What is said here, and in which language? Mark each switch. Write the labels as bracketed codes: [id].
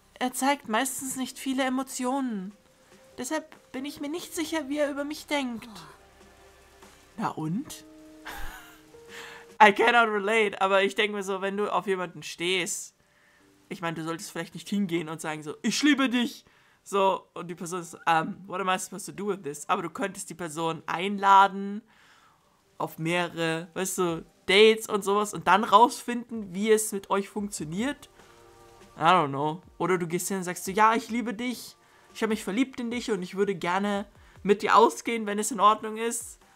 [de] Er zeigt meistens nicht viele Emotionen. Deshalb bin ich mir nicht sicher, wie er über mich denkt. Na und? [en] I cannot relate, [de] aber ich denke mir so, wenn du auf jemanden stehst, ich meine, du solltest vielleicht nicht hingehen und sagen so, ich liebe dich. So, und die Person ist, [en] what am I supposed to do with this? [de] Aber du könntest die Person einladen auf mehrere, weißt du, Dates und sowas und dann rausfinden, wie es mit euch funktioniert. [en] I don't know. [de] Oder du gehst hin und sagst so, ja, ich liebe dich. Ich habe mich verliebt in dich und ich würde gerne mit dir ausgehen, wenn es in Ordnung ist.